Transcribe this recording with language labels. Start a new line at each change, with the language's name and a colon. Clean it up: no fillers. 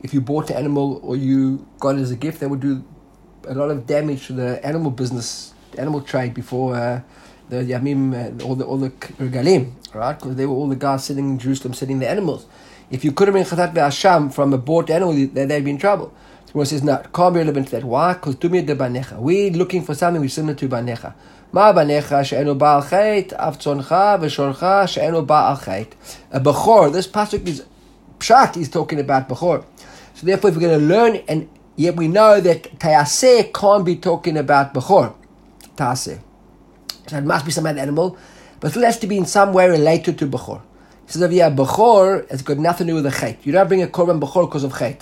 English: If you bought an animal or you got it as a gift, that would do a lot of damage to the animal business, animal trade before the Yamim, all the Regalim, right? Because they were all the guys sitting in Jerusalem, sitting the animals. If you could have been Chatat V'Asham from a bought animal, they'd be in trouble. So it says, no, can't be relevant to that. Why? Because Tumi de Banecha. We're looking for something we're similar to Banecha.
Hebrew: מה בניך שאינו בעל חטא, אף צונך ושורך שאינו בעל חטא.
English: הבכור, this pasuk is pshat, he's talking about בכור. So therefore, if we're going to learn, and yet we know that תעשה can't be talking about בכור. תעשה. So it must be some other animal, but it has to be in some way related to בכור. He says, yeah, בכור has got nothing to do with a chet. You don't bring a korban בכור because of chet.